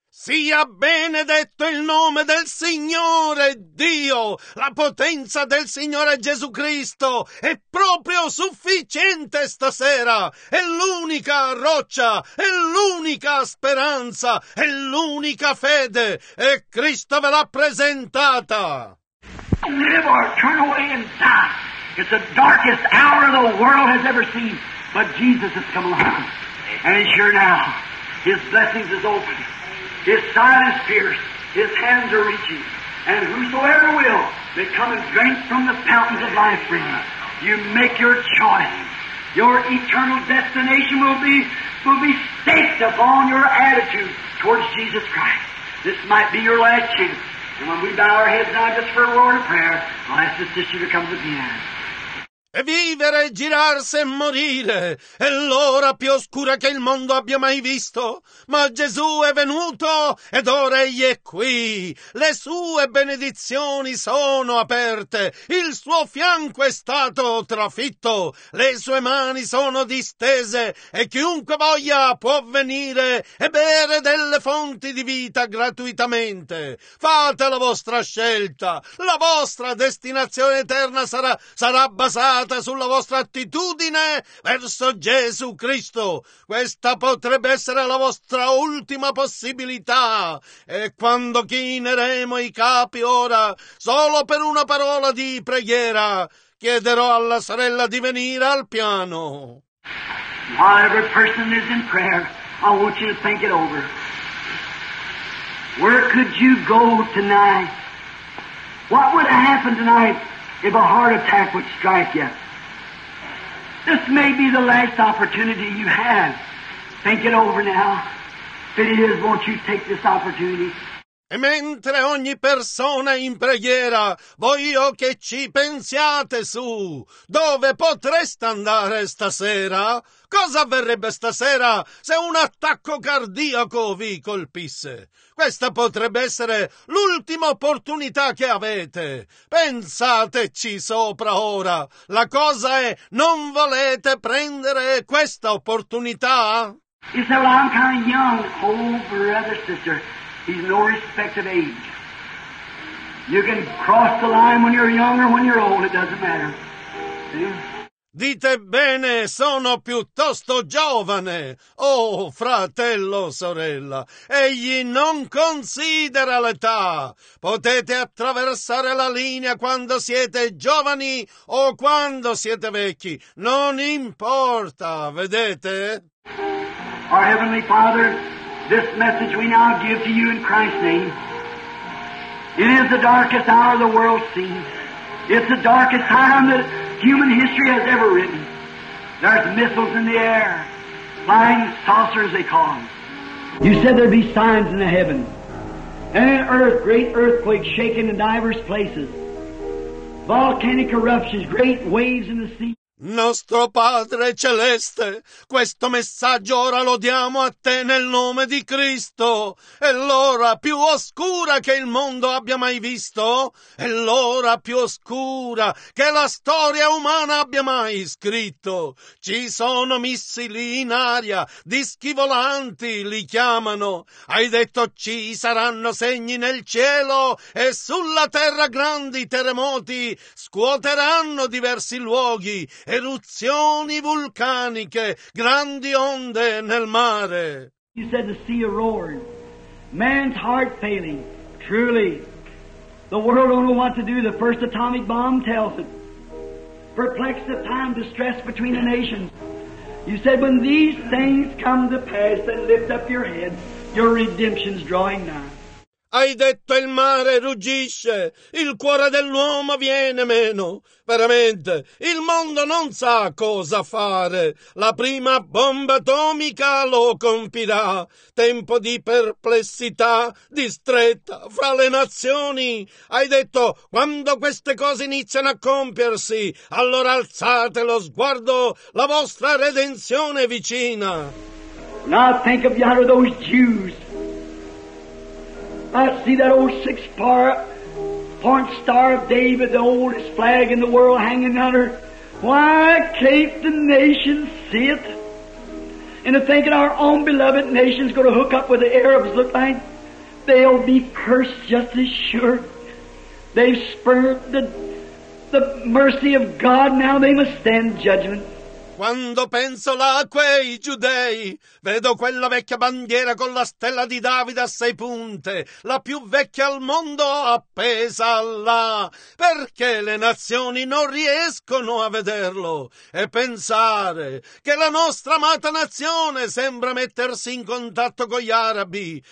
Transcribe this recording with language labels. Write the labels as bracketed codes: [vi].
[it] Sia benedetto il nome del Signore Dio, la potenza del Signore Gesù Cristo è proprio sufficiente stasera, è l'unica roccia, è l'unica speranza, è l'unica fede e Cristo ve l'ha presentata. [en] Live our eternal way in sight. It's the darkest hour the world has ever seen, but Jesus has come along. And he's here now. His blessings is open. His side is pierced, his hands are reaching, and whosoever will, they come and drink from the fountains of life for you. You make your choice. Your eternal destination will be staked upon your attitude towards Jesus Christ. This might be your last chance. And when we bow our heads now just for a word of prayer, I'll ask the sister to come to the end. [it] E vivere, girarsi e morire, è l'ora più oscura che il mondo abbia mai visto. Ma Gesù è venuto ed ora egli è qui. Le sue benedizioni sono aperte, il suo fianco è stato trafitto, le sue mani sono distese e chiunque voglia può venire e bere delle fonti di vita gratuitamente. Fate la vostra scelta, la vostra destinazione eterna sarà basata sulla vostra attitudine verso Gesù Cristo. Questa potrebbe essere la vostra ultima possibilità. E quando chineremo i capi ora, solo per una parola di preghiera, chiederò alla sorella di venire al piano. [en] While every person is in prayer, I want you to think it over. Where could you go tonight? What would happen tonight if a heart attack would strike you? This may be the last opportunity you have. Think it over now. If it is, won't you take this opportunity? [it] E mentre ogni persona è in preghiera, voglio che ci pensiate su. Dove potreste andare stasera? Cosa avverrebbe stasera se un attacco cardiaco vi colpisse? Questa potrebbe essere l'ultima opportunità che avete. Pensateci sopra ora. La cosa è, non volete prendere questa opportunità? [en] He said, well, I'm kind of young, old brother, sister. He's no respect of age. You can cross the line when you're young or when you're old, it doesn't matter. See? [it] Dite bene, sono piuttosto giovane. Oh, fratello, sorella, egli non considera l'età. Potete attraversare la linea quando siete giovani o quando siete vecchi. Non importa, vedete? [en] Our Heavenly Father, this message we now give to you in Christ's name. It is the darkest hour the world sees. It's the darkest time that human history has ever written. There's missiles in the air, flying saucers they call them. You said there'd be signs in the heaven, and in earth, great earthquakes shaking in diverse places, volcanic eruptions, great waves in the sea. [it] Nostro Padre Celeste, questo messaggio ora lo diamo a te nel nome di Cristo. È l'ora più oscura che il mondo abbia mai visto. È l'ora più oscura che la storia umana abbia mai scritto. Ci sono missili in aria, dischi volanti li chiamano. Hai detto ci saranno segni nel cielo e sulla terra grandi terremoti scuoteranno diversi luoghi. Eruzioni vulcaniche, grandi onde nel mare. [en] You said the sea roared, man's heart failing. Truly, the world don't know what to do. The first atomic bomb tells it. Perplexed at time, distress between the nations. You said when these things come to pass, then lift up your head. Your redemption's drawing nigh. [it] Hai detto il mare ruggisce, il cuore dell'uomo viene meno. Veramente, il mondo non sa cosa fare. La prima bomba atomica lo compirà. Tempo di perplessità, di stretta fra le nazioni. Hai detto, quando queste cose iniziano a compiersi, allora alzate lo sguardo, la vostra redenzione è vicina. [en] Now think of you of those Jews. I see that old six-point star of David, the oldest flag in the world, hanging on her. Why can't the nations see it? And to think that our own beloved nation's going to hook up with the Arabs, look like they'll be cursed just as sure. They've spurned the mercy of God, now they must stand judgment. [it] Quando penso là a quei giudei, vedo quella vecchia bandiera con la stella di Davide a sei punte, la più vecchia al mondo appesa là. Perché le nazioni non riescono a vederlo? E pensare che la nostra amata nazione sembra mettersi in contatto con gli arabi.